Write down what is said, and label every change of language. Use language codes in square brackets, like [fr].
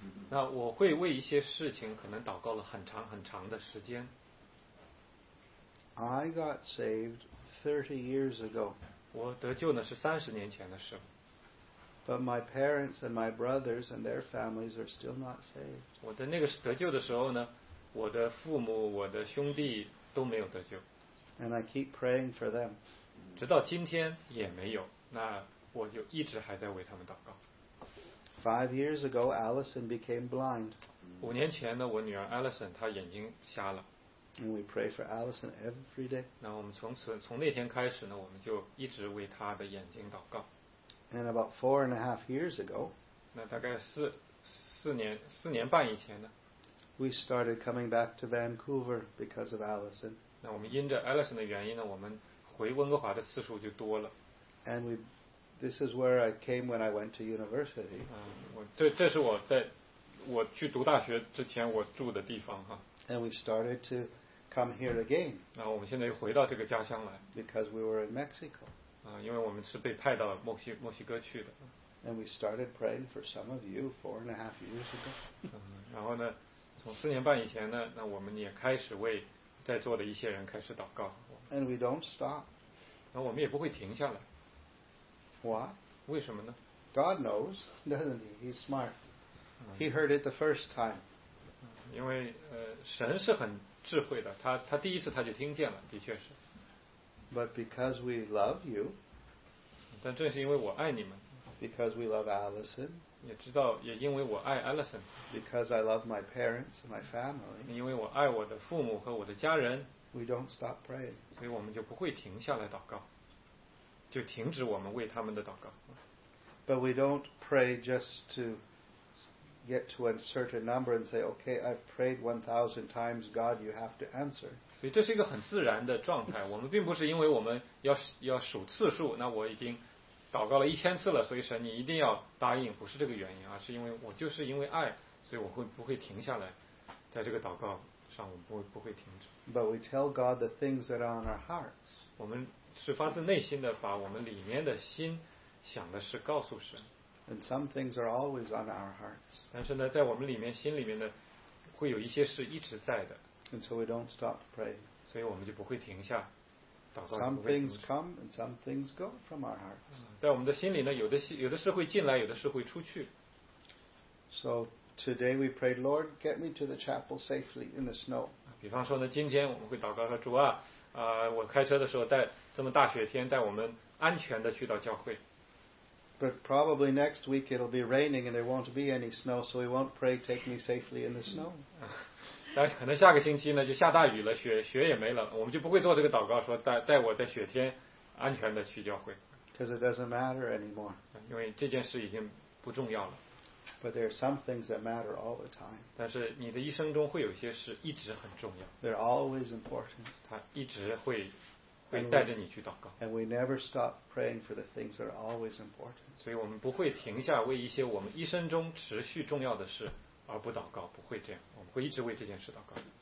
[zh] 那我会为一些事情可能祷告了很长很长的时间。 [en] I got saved 30 years ago. [zh] 我得救呢是三十年前的事。 [en] But my parents and my brothers and their families are still not saved. [zh] 我的那个得救的时候呢，我的父母、我的兄弟都没有得救。 [en] And I keep praying for them. [zh] 直到今天也没有，那我就一直还在为他们祷告。 [en] 5 years ago, Allison became blind. [zh] 五年前呢，我女儿 Allison 她眼睛瞎了。 [en] And we pray for Allison every day. [zh] 那我们从那天开始呢，我们就一直为她的眼睛祷告。 [en] And about 4.5 years ago, [zh] 那大概四年半以前呢 [en] ，we started coming back to Vancouver because of Allison. [zh] 那我们因着 Allison 的原因呢，我们回温哥华的次数就多了。 [en] And this is where I came when I went to university. [zh] 这是我在我去读大学之前我住的地方哈。 [en] And we started to come here again. [zh] 那我们现在又回到这个家乡来。 [en] Because we were in Mexico. [zh] 因为我们是被派到墨西哥去的。 [en] And we started praying for some of you 4.5 years ago. [zh] 然后呢，从四年半以前呢，那我们也开始为在座的一些人开始祷告。 [en] And we don't stop. [zh] 那我们也不会停下来。 [en] Why? [zh] 为什么呢？ [en] God knows, doesn't he? He's smart. He heard it the first time. [zh] 因为神是很智慧的，他第一次他就听见了，的确是。 [en] But because we love you. [zh] 但正是因为我爱你们。 [en] Because we love Allison. [zh] 也知道，也因为我爱 Allison. [en] Because I love my parents and my family. [zh] 因为我爱我的父母和我的家人。 [en] We don't stop praying. [zh] 所以我们就不会停下来祷告。就停止我们为他们的祷告。 [en] But we don't pray just to get to a certain number and say, okay, I've prayed 1,000 times, God, you have to answer. [zh] 所以这是一个很自然的状态。我们并不是因为我们要数次数，那我已经祷告了1000次了，所以神你一定要答应，不是这个原因，而是因为我就是因为爱，所以我不会停下来，在这个祷告上我不会停止。 [en] But we tell God the things that are on our hearts. [zh] 我们是发自内心的把我们里面的心想的是告诉神。 [en] And some things are always on our hearts. [zh] 但是呢，在我们里面心里面呢，会有一些事一直在的。 [en] And so we don't stop praying. [zh] 所以我们就不会停下祷告。 [en] Some things come and some things go from our hearts. [zh] 在我们的心里呢，有的事会进来，有的事会出去。 [en] So today we prayed, Lord, get me to the chapel safely in the snow. [zh] 比方说呢，今天我们会祷告说，主啊，我开车的时候带这么大雪天，带我们安全的去到教会。 [en] But probably next week it'll be raining and there won't be any snow, so we won't pray, take me safely in the snow. [zh] 但可能下个星期呢就下大雨了，雪也没了，我们就不会做这个祷告说带我在雪天安全的去教会。 [en] Because it doesn't matter anymore. [zh] 因为这件事已经不重要了。 [en] But there are some things that matter all the time. [zh] 但是你的一生中会有些事一直很重要。 [en] They're always important. [zh] 它一直会带着你去祷告。 [en] And we never stop praying for the things that are always important. [zh] 所以我们不会停下为一些我们一生中持续重要的事而不祷告，不会这样，我们会一直为这件事祷告。